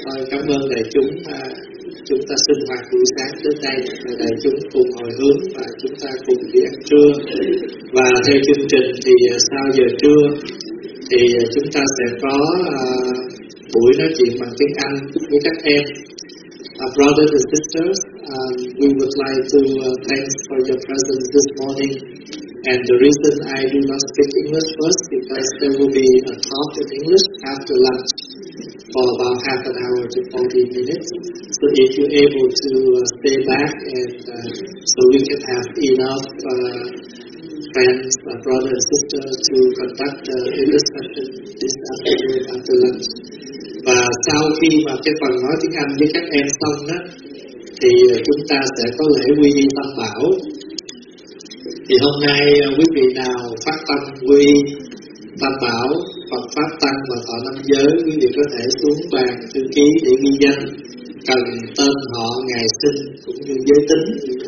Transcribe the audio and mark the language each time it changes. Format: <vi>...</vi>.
<vi>Cảm ơn đại chúng, chúng ta sinh hoạt buổi sáng đến đây, đại chúng cùng hồi hướng và chúng ta cùng đi ăn trưa. Và theo chương trình thì sau giờ trưa thì chúng ta sẽ có buổi nói chuyện bằng tiếng Anh với các em.</vi> <en>Brothers and sisters, we would like to thank for your presence this morning. And the reason I do not speak English first is because there will be a talk in English after lunch for about half an hour to 40 minutes. So if you're able to stay back and so we can have enough friends, brother and sister to conduct the English session this afternoon after lunch.</en> <vi>Và sau khi mà cái phần nói tiếng Anh với các em xong đó, thì chúng ta sẽ có lễ quy y Tam Bảo. Thì hôm nay quý vị nào phát tâm quy Tam Bảo Phật Pháp Tăng và Thọ Năm Giới, quý vị có thể xuống bàn thư ký để ghi danh cần tên họ, ngày sinh cũng như giới tính.</vi>